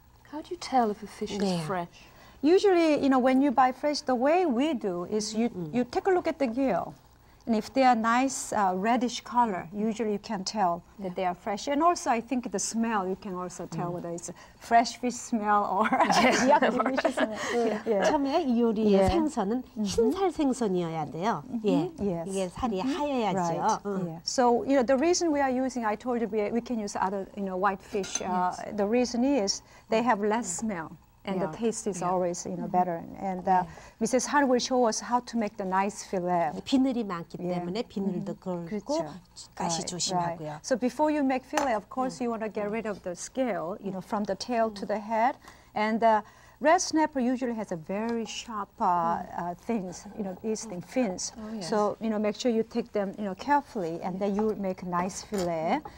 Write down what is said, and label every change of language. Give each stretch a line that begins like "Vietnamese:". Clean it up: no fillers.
English: How do you tell if a fish is fresh? Usually, you know, when you buy fresh, the way we do is you take a look at the gill. And if they are nice reddish color, usually you can tell that they are fresh. And also, I think the smell, you can also tell whether it's a fresh fish smell or yuck fish smell.
Korean: 처음에 이 요리의 생선은 흰살생선이어야 돼요. 이게 살이 하얘야죠.
English: Right. So, you know, the reason we are using, I told you we can use other, you know, white fish. The reason is they have less smell. And the taste is always, you know, better. And Mrs. Han will show us how to make the nice fillet.
Korean: 비늘이 많기 때문에 비늘도 긁고 다시 조심하고요.
English: So before you make fillet, of course, you want to get rid of the scale, you know, from the tail to the head. And the red snapper usually has a very sharp things, you know, these things, fins. Oh, yes. So, you know, make sure you take them, you know, carefully, and then you make a nice fillet.